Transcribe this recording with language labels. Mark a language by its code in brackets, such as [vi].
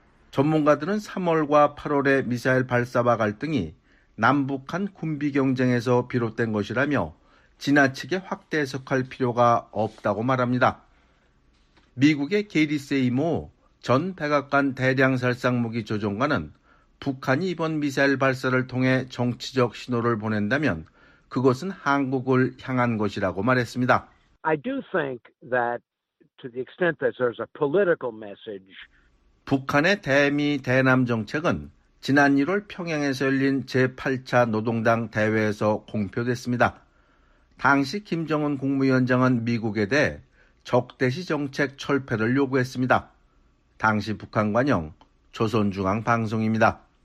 [ko] 전문가들은 3월과 8월의 미사일 발사와 갈등이 남북한 군비 경쟁에서 비롯된 것이라며 지나치게 확대 해석할 필요가 없다고 말합니다. 미국의 게리 세이모 전 백악관 대량살상무기 조종관은 북한이 이번 미사일 발사를 통해 정치적 신호를 보낸다면 그것은 한국을 향한 것이라고 말했습니다. [en] I do think that to the extent that there's a political message. [ko] 북한의 대미 대남 정책은 지난 1월 평양에서 열린 제8차 노동당 대회에서 공표됐습니다. 당시 김정은 국무위원장은 미국에 대해 적대시 정책 철폐를 요구했습니다. 당시 북한 관영 조선중앙방송입니다.